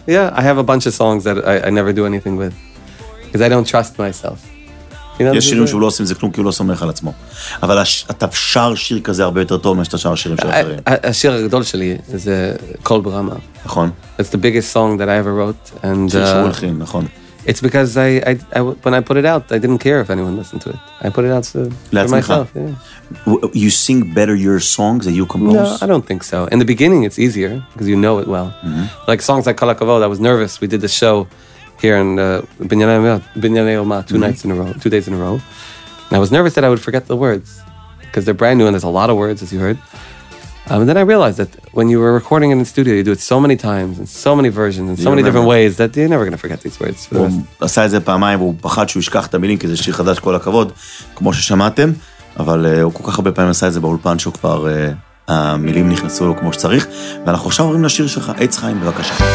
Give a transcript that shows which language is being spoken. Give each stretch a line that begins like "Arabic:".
English: Yeah, I have a bunch of songs that I never do anything with. Because I don't trust myself.
Hebrew: יש שירים שהוא לא עושים זה כלום, כי הוא לא סומך על עצמו. אבל אתה שר שיר כזה הרבה יותר טוב מאשר שר שירים של אחרים. השיר הגדול שלי זה קול ברמה. נכון.
English: It's the biggest song that I ever wrote. And,
Hebrew: שיר שהוא הלחין, נכון.
English: It's because I when I put it out, I didn't care if anyone listened to it. I put it out for myself. Yeah. You sing better your songs that you compose? No, I don't think so. In the beginning, it's easier because you know it well. Mm-hmm. Like songs like Kol HaKavod, I was nervous. We did the show here in Binyanei Oma two days in a row. And I was nervous that I would forget the words because they're brand new and there's a lot of words, as you heard. And then I realized that when you were recording it in the studio, you do it so many times and so many versions and so many different ways that you're never going to forget these words.
Hebrew: הוא עשה את זה פעמיים, והוא פחד שהוא ישכח את המילים, כי זה שיר חדש, כל הכבוד, כמו ששמעתם, אבל הוא כל כך הרבה פעמים עשה את זה באולפן שהוא כבר, המילים נכנסו לו כמו שצריך, ואנחנו עכשיו עוברים לשיר שלך, עץ חיים, בבקשה.